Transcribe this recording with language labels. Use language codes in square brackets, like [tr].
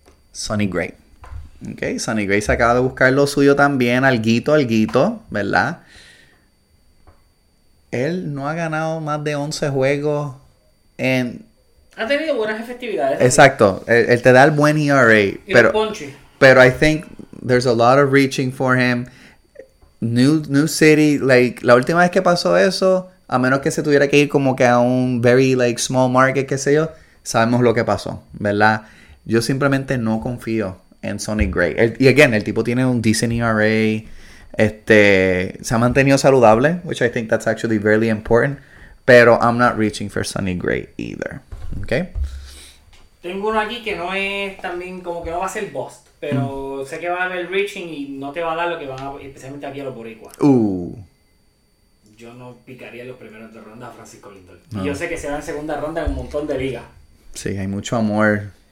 [es] Sonny Gray. Okay, Sonny Gray se acaba de buscar lo suyo también. Alguito, ¿verdad? Él no ha ganado más de 11 juegos en... Ha tenido buenas efectividades. Exacto. Él te da el buen ERA. Y pero, el punchy. [en] Pero I think there's a lot of reaching for him. New city. [es] Like, la última vez que pasó eso, a menos que se tuviera que ir como que a un [en] very like small market, [es] qué sé yo, sabemos lo que pasó, ¿verdad? Yo simplemente no confío en Sonny Gray. Y [en] again, [es] el tipo tiene un decent ERA. Se ha mantenido saludable, [en] which I think that's actually really important, [es] pero [en] I'm not reaching for Sonny Gray either. Okay. [es] Tengo uno aquí que no es también como que no va a ser bust, pero sé que va a haber reaching y no te va a dar lo que van a, especialmente aquí a los boricuas. Yo no picaría en los primeros de ronda a Francisco Lindor. No. Yo sé que se va en segunda ronda en un montón de ligas. Sí, hay mucho amor.